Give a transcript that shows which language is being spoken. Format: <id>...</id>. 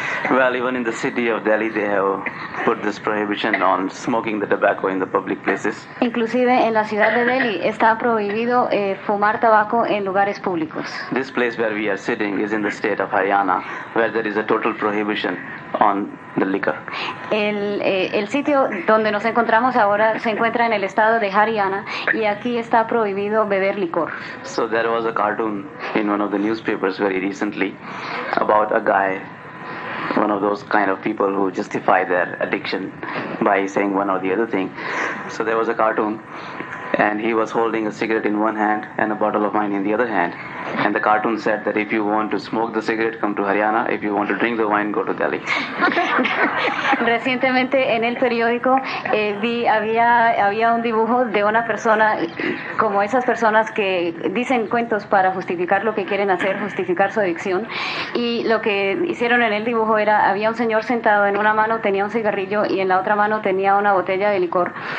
<en>Well, even in the city of Delhi, they have put this prohibition on smoking the tobacco in the public places.</en> <es>Inclusive en la ciudad de Delhi está prohibido fumar tabaco en lugares públicos.</es> <en>This place where we are sitting is in the state of Haryana, where there is a total prohibition on the liquor.</en> <es>El sitio donde nos encontramos ahora se encuentra en el estado de Haryana y aquí está prohibido beber licor.</es> <en>So there was a cartoon in one of the newspapers very recently about a guy, one of those kind of people who justify their addiction by saying one or the other thing. So there was a cartoon and he was holding a cigarette in one hand and a bottle of wine in the other hand. And the cartoon said that if you want to smoke the cigarette, come to Haryana. If you want to drink the wine, go to Delhi.</en> <es>Recientemente en el periódico había un dibujo de una persona como esas personas que dicen cuentos para justificar lo que quieren hacer, justificar su adicción. Y lo que hicieron en el dibujo era, había un señor sentado en una mano, tenía un cigarrillo y en la otra mano tenía una botella de licor.</es>